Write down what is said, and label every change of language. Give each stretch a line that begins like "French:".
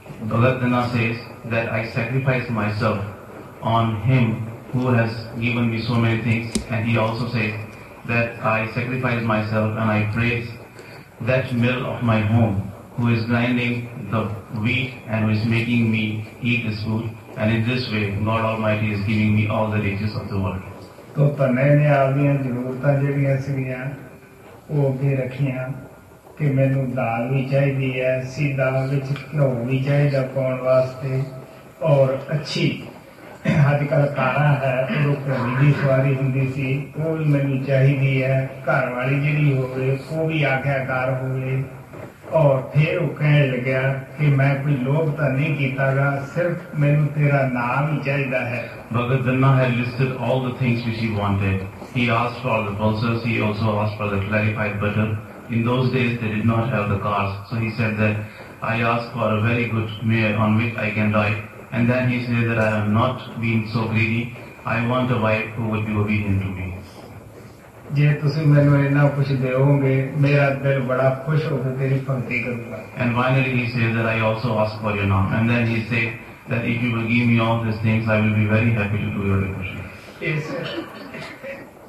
English: Bhagat Danna says that I sacrifice myself on him who has given me so many things, and he also says that I sacrifice myself and I praise that mill of my home who is grinding the wheat and who is making me eat this food, and in this way God Almighty is giving me all the riches of the world.
Punjabi: So, tanne aadiyan zarooratan jehdiyan sigiyan oh agge rakhiyan ke mainu daal vi chahidi hai seedha vich ghio vi chahida paun vaste aur achhi ਅੱਜ ਕੱਲ੍ਹ ਕਾਰਾਂ ਹੈ ਉਦੋਂ ਘੋੜੀ ਦੀ ਸਵਾਰੀ ਹੁੰਦੀ ਸੀ ਉਹ ਵੀ ਮੈਨੂੰ ਚਾਹੀਦੀ ਹੈ ਘਰ ਵਾਲੀ ਜਿਹੜੀ ਹੋਵੇ ਉਹ ਵੀ ਆਗਿਆਕਾਰ ਹੋਵੇ ਔਰ ਫਿਰ ਉਹ ਕਹਿਣ ਲੱਗਿਆ ਕਿ ਮੈਂ ਕੋਈ ਲੋਭ ਤਾਂ ਨਹੀਂ ਕੀਤਾ ਗਾ, ਸਿਰਫ ਮੈਨੂੰ ਤੇਰਾ ਨਾਮ ਹੀ ਚਾਹੀਦਾ ਹੈ।
English: Bhagat Dhanna had listed all the things which he wanted. He asked for all the pulses, he also asked for the clarified butter. In those days they did not have the cars, so he said that I ask for a very good mare on which I can ride. And then he said that I have not been so greedy, I want a wife who would be obedient to me.
Punjabi: ਜੇ ਤੁਸੀਂ ਮੈਨੂੰ ਇੰਨਾ ਕੁਛ ਦੇਵੋਗੇ ਮੇਰਾ ਦਿਲ ਬੜਾ ਖੁਸ਼ ਹੋ ਕੇ ਤੇਰੀ ਭਗਤੀ ਕਰੂੰਗਾ।
English: And finally he says that I also ask for your name. And then he said that if you will give me all these things I will be very happy to do your devotion. Yes sir.